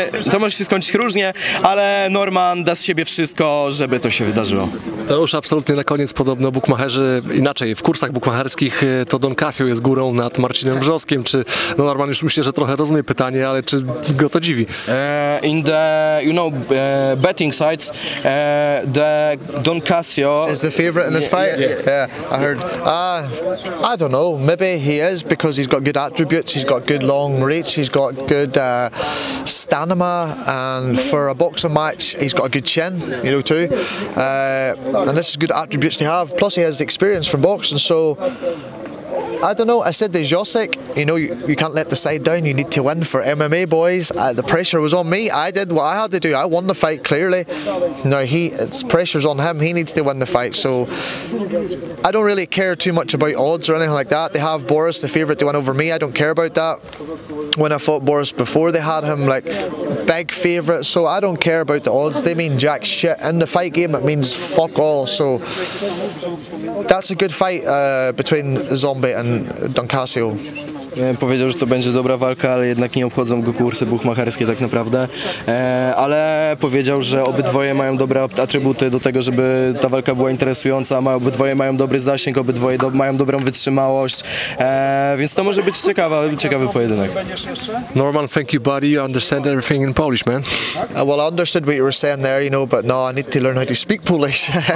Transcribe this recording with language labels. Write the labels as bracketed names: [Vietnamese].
[Polish] To może się skończyć różnie, ale Norman da z siebie wszystko, żeby to się wydarzyło. To już absolutnie na koniec podobno bukmacherzy inaczej w kursach zawodach bukmacherskich to Don Cassio jest górą nad Marcinem Wrzoskiem, czy, no Norman już myślę, że trochę rozumie pytanie, ale czy go to dziwi? [English] In the, you know, betting sites, the Don Cassio is the favorite in this fight? Yeah, I heard. I don't know, maybe he is because he's got good attributes, he's got good long reach, he's got good stamina, and for a boxer match, he's got a good chin, you know, too. And this is good attributes to have, plus he has the experience from boxing, so I don't know, I said to Josek, you know, you can't let the side down, you need to win for MMA boys. The pressure was on me, I did what I had to do, I won the fight clearly. Now it's pressure's on him, he needs to win the fight, so I don't really care too much about odds or anything like that. They have Boris, the favourite to win over me, I don't care about that. When I fought Boris before, they had him like big favourite, so I don't care about the odds, they mean jack shit. In the fight game, it means fuck all, so that's a good fight between Zombie and Don Cassio. [Polish] Powiedział, że to będzie dobra walka, ale jednak nie obchodzą go kursy buchmacherskie tak naprawdę. Ale powiedział, że obydwoje mają dobre atrybuty do tego, żeby ta walka była interesująca. Obydwoje mają dobry zasięg, obydwoje mają dobrą wytrzymałość. Więc to może być ciekawy pojedynek. [English] Norman, thank you, buddy. You understand everything in Polish, man. Well, I understood what you were saying there, you know, but no, I need to learn how to speak Polish.